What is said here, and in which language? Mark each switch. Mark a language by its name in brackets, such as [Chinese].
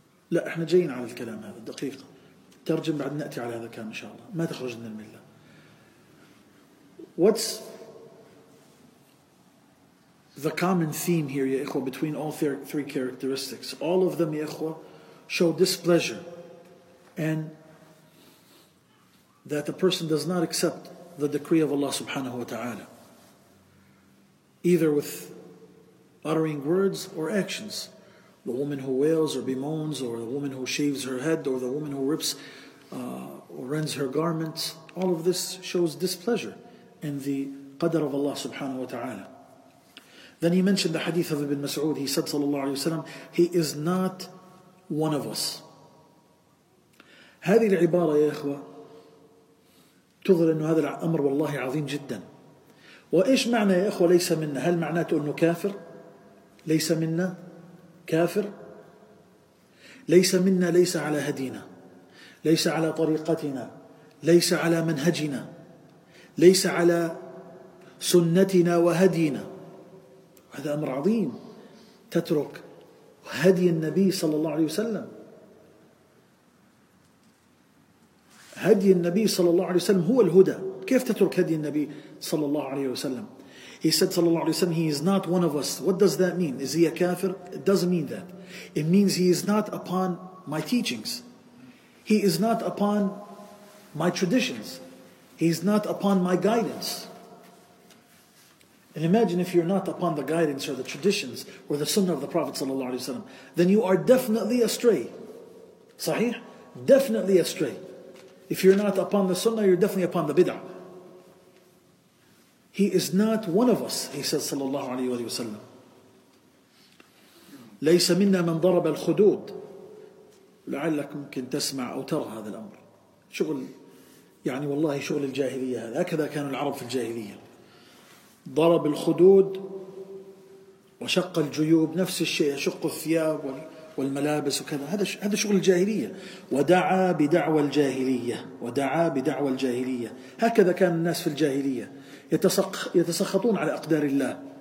[Arabic] لا, احنا جايين على الكلام هذا, دقيقة ترجم بعد نأتي على هذا الكلام إن شاء الله, ما تخرج من الملة. [English] What's the common theme here, [Arabic] يا إخوة, [English] between all three characteristics? All of them, [Arabic] يا إخوة, [English] show displeasure and that a person does not accept the decree of Allah subhanahu wa ta'ala, either with uttering words or actions. The woman who wails or bemoans, or the woman who shaves her head, or the woman who rips or rends her garments, all of this shows displeasure in the qadr of Allah subhanahu wa ta'ala. Then he mentioned the hadith of Ibn Mas'ud. He said, sallallahu alayhi wa sallam, he is not one of us. [Arabic] هذه العبارة يا إخوة تظهر أن هذا الأمر والله عظيم جدا. وإيش معنى يا إخوة ليس منا؟ هل معناته أنه كافر؟ ليس منا؟ كافر؟ ليس منا, ليس على هدينا, ليس على طريقتنا, ليس على منهجنا, ليس على سنتنا وهدينا. هذا أمر عظيم, تترك هدي النبي صلى الله عليه وسلم. هدي النبي صلى الله عليه وسلم هو الهدى, كيف تترك هدي النبي صلى الله عليه وسلم؟ [English] He said, [Arabic] صلى الله عليه وسلم, [English] he is not one of us. What does that mean? Is he a kafir? It doesn't mean that. It means he is not upon my teachings. He is not upon my traditions. He is not upon my guidance. And imagine if you're not upon the guidance or the traditions or the sunnah of the Prophet ﷺ, then you are definitely astray. Sahih? Definitely astray. If you're not upon the sunnah, you're definitely upon the bid'ah. He is not one of us, he says [Arabic] صلى الله عليه وسلم. ليس منا من ضرب الخدود. لعلك ممكن تسمع أو ترى هذا الأمر. شغل يعني والله شغل الجاهلية هذا. هكذا كانوا العرب في الجاهلية. ضرب الخدود وشق الجيوب نفس الشيء شق الثياب والملابس وكذا هذا شغل الجاهلية ودعا بدعوى الجاهلية ودعا بدعوى الجاهلية هكذا كان الناس في الجاهلية يتسخطون على أقدار الله